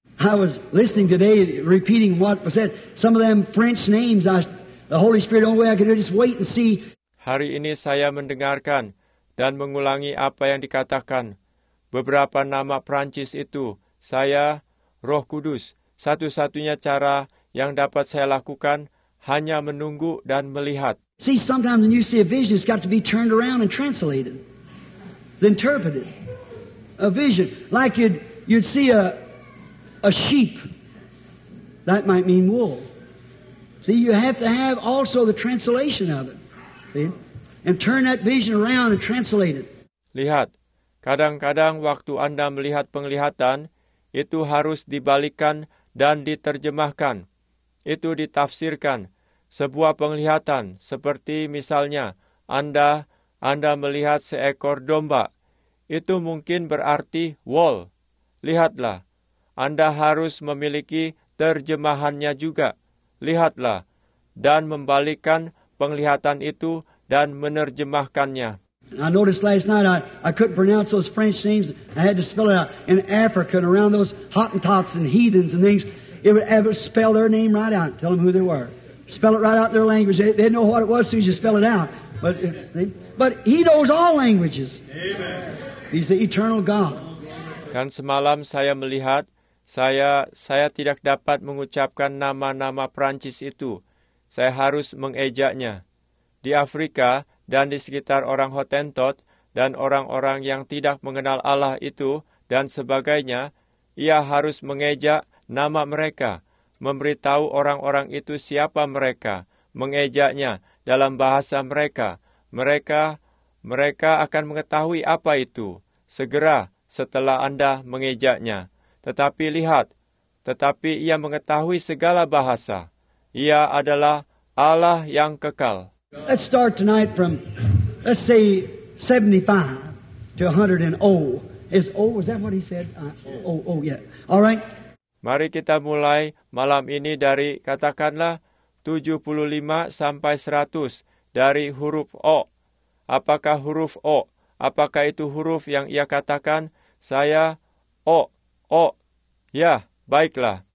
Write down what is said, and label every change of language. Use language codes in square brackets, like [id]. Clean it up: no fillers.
[en] I was listening today, repeating what was said. Some of them French names. The Holy Spirit. The only way I could do it is wait and see. [id] Hari ini saya mendengarkan dan mengulangi apa yang dikatakan. Beberapa nama Prancis itu, saya, Roh Kudus, satu-satunya cara yang dapat saya lakukan hanya menunggu dan melihat. [en] See, sometimes when you see a vision, it's got to be turned around and translated, it's interpreted. A vision, like you'd see a sheep, that might mean wool. See, you have to have also the translation of it, see? And turn that vision around and translate it. [id] Lihat, kadang-kadang waktu Anda melihat penglihatan, itu harus dibalikan dan diterjemahkan. Itu ditafsirkan. Sebuah penglihatan, seperti misalnya, Anda melihat seekor domba. Itu mungkin berarti wool. Lihatlah, Anda harus memiliki terjemahannya juga. Lihatlah, dan membalikkan penglihatan itu dan menerjemahkannya. [en] I noticed last night I couldn't pronounce those French names. I had to spell it out in Africa and around those Hottentots and heathens and things. It would ever spell their name right out. Tell them who they were. Spell it right out in their language. They'd know what it was as soon as you spell it out. But he knows all languages. Amen. He's the eternal God. [id] Dan semalam saya melihat, saya tidak dapat mengucapkan nama-nama Prancis itu. Saya harus mengejaknya. Di Afrika dan di sekitar orang Hotentot dan orang-orang yang tidak mengenal Allah itu dan sebagainya, ia harus mengejak nama mereka, memberitahu orang-orang itu siapa mereka, mengejaknya dalam bahasa mereka. Mereka akan mengetahui apa itu segera setelah Anda mengejaknya. Tetapi lihat, tetapi ia mengetahui segala bahasa. Ia adalah Allah yang kekal. [en] Let's start tonight from, let's say, 75 to 100 and O. Is O, is that what he said? Yeah. All right. [id] Mari kita mulai malam ini dari, katakanlah, 75 sampai 100 dari huruf O. Apakah huruf O? Apakah itu huruf yang ia katakan? Saya, O, O. Ya, baiklah.